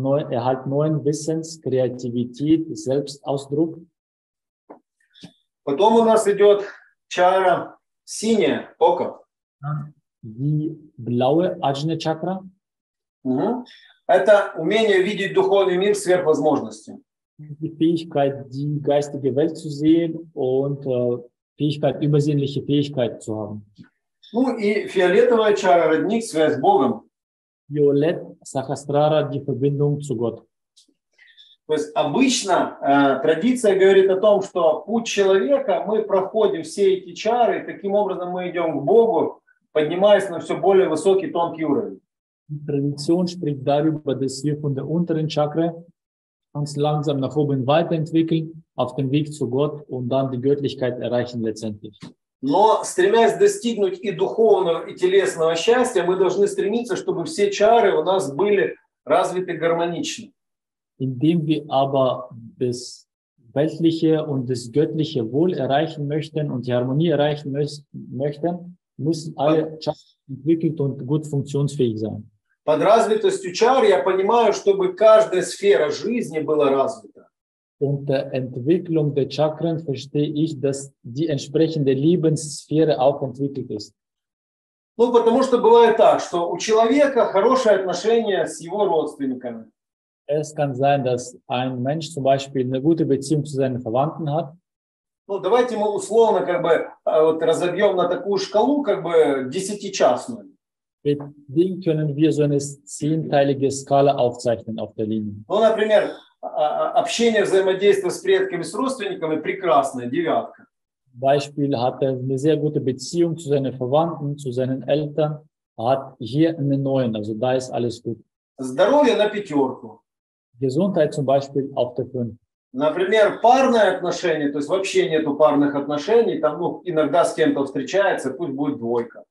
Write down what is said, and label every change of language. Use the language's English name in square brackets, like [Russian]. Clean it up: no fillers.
[German] Erhalt neuen Wissens, Kreativität, Selbstausdruck. [Russian] Потом у нас идет чара синяя, око. [German] Die blaue Ajna Chakra. Uh-huh. [Russian] Это умение видеть духовный мир сверх возможностей. [German] Die Fähigkeit, die geistige Welt zu sehen und Fähigkeit, übersinnliche Fähigkeit zu haben. [Russian] Ну и фиолетовая чара, родник, связь с Богом. [German] Violet Sahasrara, die Verbindung zu Gott. [Russian] То есть обычно традиция говорит о том, что путь человека, мы проходим все эти чары, таким образом мы идем к Богу, поднимаясь на все более высокий, тонкий уровень. [German] Tradition spricht darüber, dass wir von der unteren Chakra uns langsam nach oben weiterentwickeln, auf dem Weg zu Gott und dann die Göttlichkeit erreichen letztendlich. [Russian] Но стремясь достигнуть и духовного, и телесного счастья, мы должны стремиться, чтобы все чары у нас были развиты гармонично. [German] Indem wir aber das weltliche und das göttliche Wohl erreichen möchten und die Harmonie erreichen möchten, müssen alle Chakren entwickelt und gut funktionsfähig sein. [Russian] Под развитостью чар я понимаю, чтобы каждая сфера жизни была развита. [German] Unter Entwicklung der Chakren verstehe ich, dass die entsprechende Lebenssphäre auch entwickelt ist. [Russian] Ну, потому что бывает так, что у человека хорошее отношение с его родственниками. [German] Es kann sein, dass ein Mensch zum Beispiel eine gute Beziehung zu seinen Verwandten hat. [Russian] Ну, давайте мы условно как бы вот разобьем на такую шкалу как бы десятичастную. [German] Mit dem können wir so eine zehnteilige Skala aufzeichnen auf der Linie. [Russian] Ну, например, общение, взаимодействие с предками, с родственниками – прекрасная девятка. [German] Beispiel hat er eine sehr gute Beziehung zu seinen Verwandten, zu seinen Eltern, hat hier eine 9, also da ist alles gut. [Russian] Здоровье на пятерку. [German] Gesundheit zum Beispiel auf der 5. [Russian] Например, парное отношение, то есть вообще нету парных отношений, там, ну, иногда с кем-то встречается, пусть будет 2.